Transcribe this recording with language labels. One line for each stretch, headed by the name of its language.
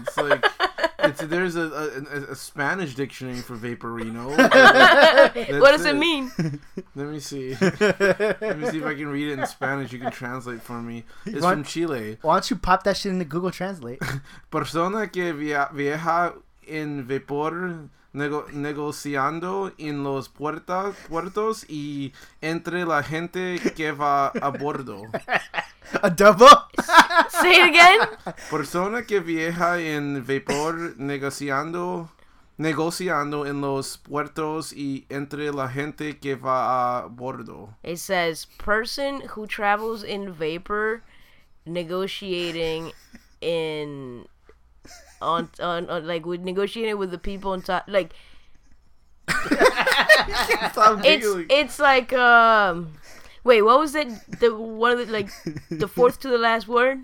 English: It's like, there's a Spanish dictionary for Vaporino. What does it mean? Let me see. Let me see if I can read it in Spanish. You can translate for me. It's from Chile. Why don't you pop that shit into Google Translate?
Spanish: Persona que viaja en vapor... negociando en los puertos y entre la gente que va a bordo.
English: A double? Say it again.
Spanish: Persona que viaja en vapor negociando en los puertos y entre la gente que va a bordo.
English: It says, person who travels in vapor negotiating in... On like we're negotiating with the people on top, like it's like wait, what was it, the fourth to the last word,